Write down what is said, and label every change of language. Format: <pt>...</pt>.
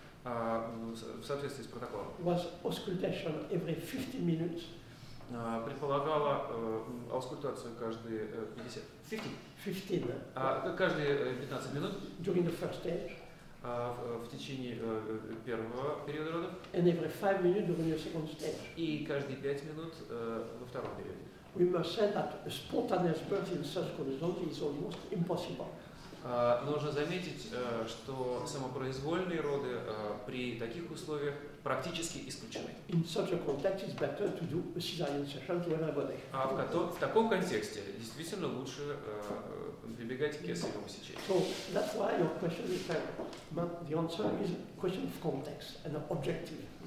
<ru>В соответствии с протоколом.</ru> <en>Was auscultation every 15 minutes.</en> <ru>предполагала аускультацию каждые 15 минут</ru> <en>during the first stage.</en> <ru>В течение первого периода родов.</ru> <en>And every 5 minutes during the second stage.</en> <ru>И каждые 5 минут во втором периоде.</ru> <en>We must say that a spontaneous birth in such conditions is almost impossible.</en> <ru>Нужно заметить, что самопроизвольные роды при таких условиях практически исключены.</ru> <en>In such a context, it's better to do a cesarean section to everybody.</en> <ru>А в таком контексте действительно лучше прибегать к кесаревому сечению.</ru> <en>So that's why your question is fair. But the answer is a question of context and objective.</en>